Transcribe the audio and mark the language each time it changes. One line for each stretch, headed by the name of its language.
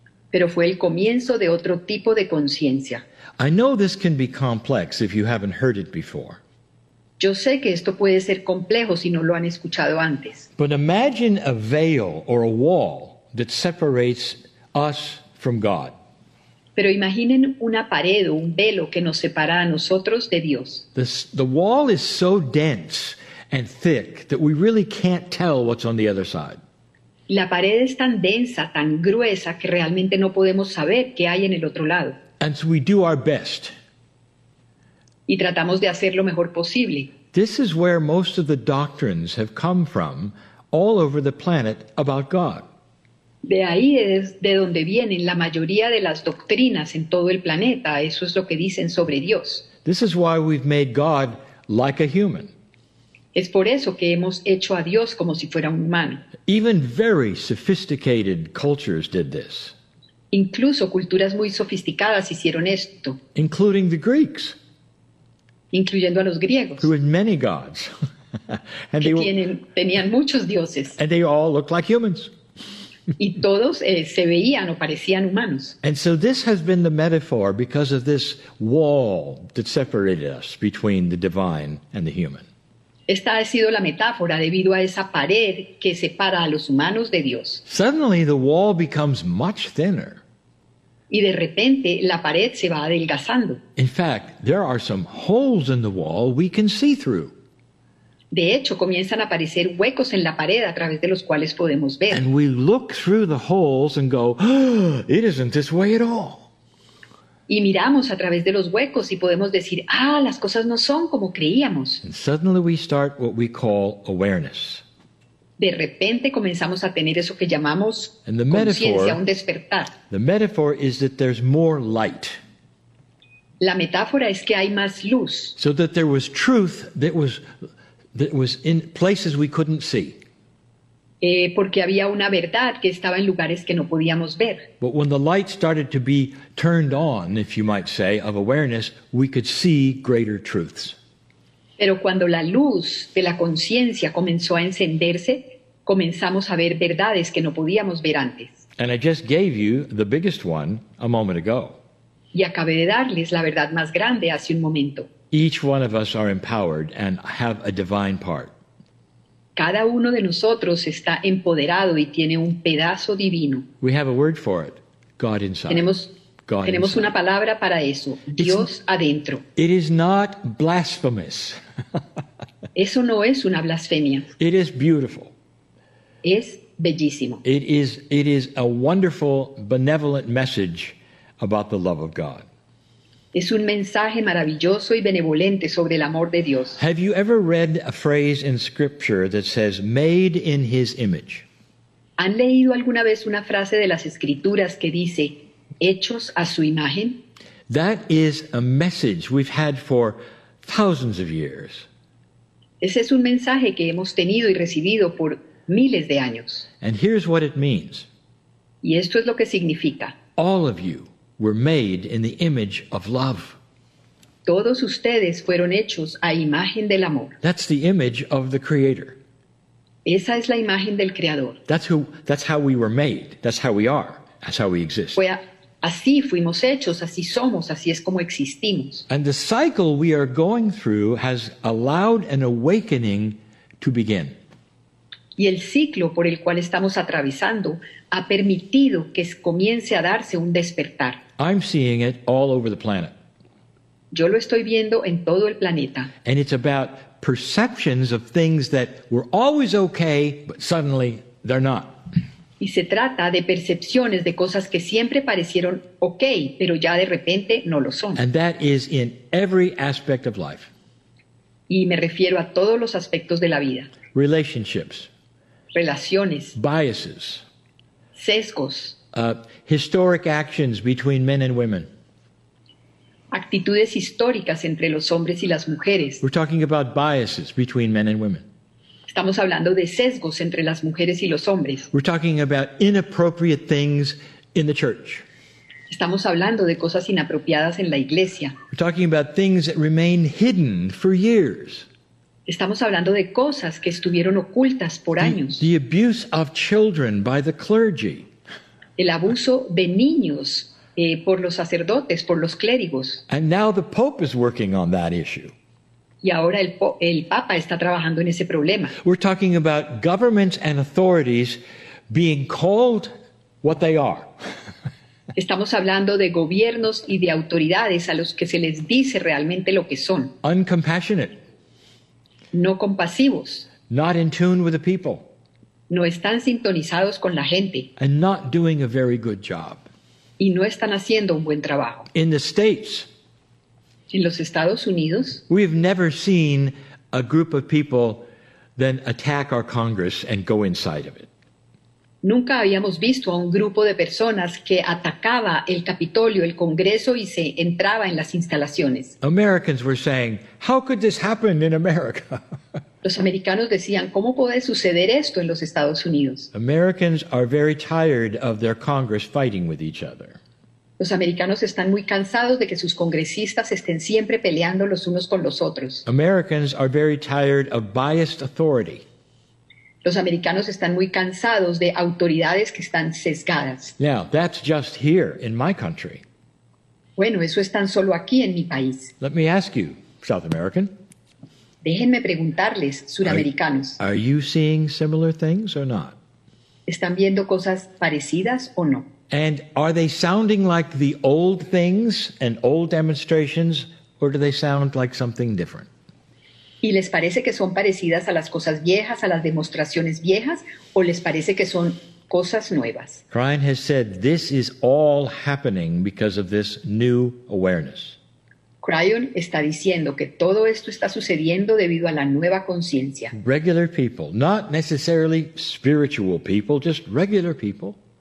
Spanish: Pero fue el comienzo de otro tipo de conciencia.
English: I know this can be complex if you haven't heard it before.
Spanish: Yo sé que esto puede ser complejo si no lo han escuchado antes.
English: But imagine a veil or a wall that separates us from God.
Spanish: Pero imaginen una pared o un velo que nos separa a nosotros de Dios.
English: The wall is so dense and thick that we really can't tell what's on the other side.
Spanish: La pared es tan densa, tan gruesa que realmente no podemos saber qué hay en el otro lado.
English: And so we do our best.
Spanish: Y tratamos de hacer lo mejor posible.
English: This is where most of the doctrines have come from all over the planet about God.
Spanish: De ahí es de donde vienen la mayoría de las doctrinas en todo el planeta, eso es lo que dicen sobre Dios.
English: This is why we've made God like a human.
Spanish: Es por eso que hemos hecho a Dios como si fuera un humano.
English: Even very sophisticated cultures did this.
Spanish: Incluso culturas muy sofisticadas hicieron esto.
English: Including the Greeks.
Spanish: Incluyendo a los griegos.
English: Who had many gods.
Spanish: And que tenían muchos dioses.
English: And they all looked like humans.
Spanish: Y todos se veían o parecían humanos.
English: And so this has been the metaphor because of this wall that separated us between the divine and the human.
Spanish: Esta ha sido la metáfora debido a esa pared que separa a los humanos de Dios.
English: Suddenly the wall becomes much thinner.
Spanish: Y de repente la pared se va adelgazando.
English: In fact, there are some holes in the wall we can see through.
Spanish: De hecho, comienzan a aparecer huecos en la pared a través de los cuales podemos ver.
English: And we look through the holes and go, oh, it isn't this way at all.
Spanish: Y miramos a través de los huecos y podemos decir, ah, las cosas no son como creíamos.
English: And suddenly we start what we call awareness.
Spanish: De repente comenzamos a tener eso que llamamos conciencia, un despertar.
English: The metaphor is that there's more light.
Spanish: La metáfora es que hay más luz.
English: So that there was truth that was in places we couldn't see.
Spanish: Porque había una verdad que estaba en lugares que no podíamos ver.
English: But when the light started to be turned on, if you might say, of awareness, we could see greater truths.
Spanish: Pero cuando la luz de la conciencia comenzó a encenderse, comenzamos a ver verdades que no podíamos ver antes.
English: And I just gave you the biggest one a moment ago.
Spanish: Y acabé de darles la verdad más grande hace un momento.
English: Each one of us are empowered and have a divine part.
Spanish: Cada uno de nosotros está empoderado y tiene un pedazo divino.
English: We have a word for it, God inside.
Spanish: Tenemos una palabra para eso, Dios adentro.
English: It is not blasphemous.
Spanish: Eso no es una blasfemia.
English: It is beautiful.
Spanish: Es bellísimo.
English: It is a wonderful, benevolent message about the love of God.
Spanish: Es un mensaje maravilloso y benevolente sobre el amor de Dios.
English: Have you ever read a phrase in Scripture that says, made in His image?
Spanish: ¿Han leído alguna vez una frase de las Escrituras que dice, hechos a su imagen?
English: That is a message we've had for thousands of years.
Spanish: Ese es un mensaje que hemos tenido y recibido por miles de años.
English: And here's what it means.
Spanish: Y esto es lo que significa.
English: All of you were made in the image of love.
Spanish: Todos ustedes fueron hechos a imagen del amor.
English: That's the image of the Creator.
Spanish: Esa es la imagen del Creador.
English: That's how we were made. That's how we are. That's how we exist.
Spanish: Así fuimos hechos, así somos, así es como existimos.
English: And the cycle we are going through has allowed an awakening to begin.
Spanish: Y el ciclo por el cual estamos atravesando ha permitido que comience a darse un despertar.
English: I'm seeing it all over the planet.
Spanish: Yo lo estoy viendo en todo el planeta.
English: And it's about perceptions of things that were always okay, but suddenly they're not.
Spanish: Y se trata de percepciones de cosas que siempre parecieron okay, pero ya de repente no lo son.
English: And that is in every aspect of life.
Spanish: Y me refiero a todos los aspectos de la vida.
English: Relationships.
Spanish: Relaciones.
English: Biases.
Spanish: Sesgos.
English: Historic actions between men and women.
Spanish: Actitudes históricas entre los hombres y las mujeres.
English: We're talking about biases between men and women.
Spanish: Estamos hablando de sesgos entre las mujeres y los hombres.
English: We're talking about inappropriate things in the church.
Spanish: Estamos hablando de cosas inapropiadas en la iglesia.
English: We're talking about things that remain hidden for years.
Spanish: Estamos hablando de cosas que estuvieron ocultas por años.
English: The abuse of children by the clergy.
Spanish: El abuso de niños por los sacerdotes, por los clérigos.
English: And now the Pope is working on that issue.
Spanish: Y ahora el Papa está trabajando en ese problema.
English: We're talking about governments and authorities being called what they are.
Spanish: Estamos hablando de gobiernos y de autoridades a los que se les dice realmente lo que son.
English: Uncompassionate.
Spanish: No compasivos.
English: Not in tune with the people.
Spanish: No están sintonizados con la gente.
English: And not doing a very good job.
Spanish: Y no están haciendo un buen trabajo.
English: In the States.
Spanish: En los Estados Unidos.
English: We've never seen a group of people then attack our Congress and go inside of it.
Spanish: Nunca habíamos visto a un grupo de personas que atacaba el Capitolio, el Congreso, y se entraba en las instalaciones.
English: Americans were saying, "How could this happen in America?"
Spanish: Los americanos decían, "¿Cómo puede suceder esto en los Estados Unidos?"
English: Americans are very tired of their Congress fighting with each other.
Spanish: Los americanos están muy cansados de que sus congresistas estén siempre peleando los unos con los otros.
English: Americans are very tired of biased authority.
Spanish: Los americanos están muy cansados de autoridades que están sesgadas.
English: Now, that's just here in my country.
Spanish: Bueno, eso es tan solo aquí en mi país.
English: Let me ask you, South American.
Spanish: Déjenme preguntarles, suramericanos.
English: Are you seeing similar things or not?
Spanish: ¿Están viendo cosas parecidas o no?
English: And are they sounding like the old things and old demonstrations, or do they sound like something different?
Spanish: ¿Y les parece que son parecidas a las cosas viejas, a las demostraciones viejas, o les parece que son cosas nuevas?
English: Ryan has said this is all happening because of this new awareness.
Spanish: Cryon está diciendo que todo esto está sucediendo debido a la nueva conciencia.
English: Regular people, not necessarily spiritual people, just regular people.